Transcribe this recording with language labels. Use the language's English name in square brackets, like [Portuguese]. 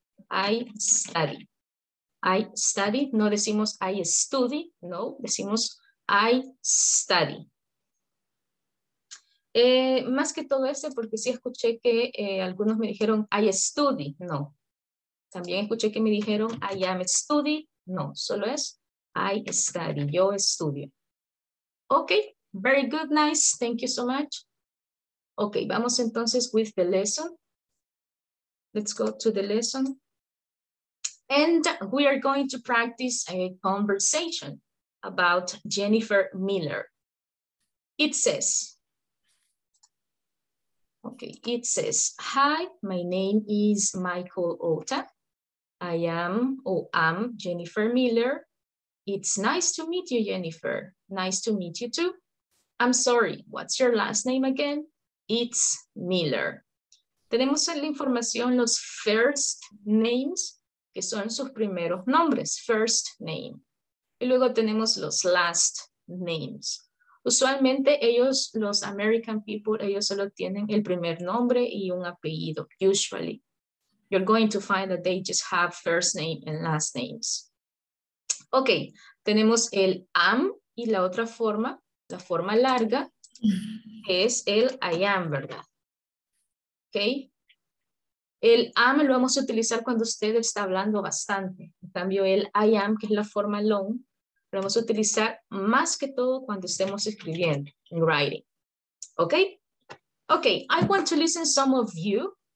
[English] I study. I study, [Spanish] no decimos [English] I study, [Spanish] no, decimos [English] I study. [Spanish] Más que todo ese, porque sí escuché que algunos me dijeron I study, no. También escuché que me dijeron I am study, no, solo es I study, yo estudio. [English] Ok, very good, nice, thank you so much. Ok, [Spanish] vamos entonces [English] with the lesson. Let's go to the lesson. And we are going to practice a conversation about Jennifer Miller. It says, okay, it says, hi, my name is Michael Ota. I am, I'm Jennifer Miller. It's nice to meet you, Jennifer. Nice to meet you too. I'm sorry, what's your last name again? It's Miller. [Spanish] Tenemos la información, los first names, que son sus primeros nombres, first name. Y luego tenemos los last names. Usualmente ellos, los American people, ellos solo tienen el primer nombre y un apellido, usually. [English] You're going to find that they just have first name and last names. [Spanish] Ok, tenemos el am y la otra forma, la forma larga, es el I am, ¿verdad? Ok. El am lo vamos a utilizar cuando usted está hablando bastante. En cambio, el I am, que es la forma long, lo vamos a utilizar más que todo cuando estemos escribiendo, en writing. ¿Ok? [English] Ok, I want to listen to some of you.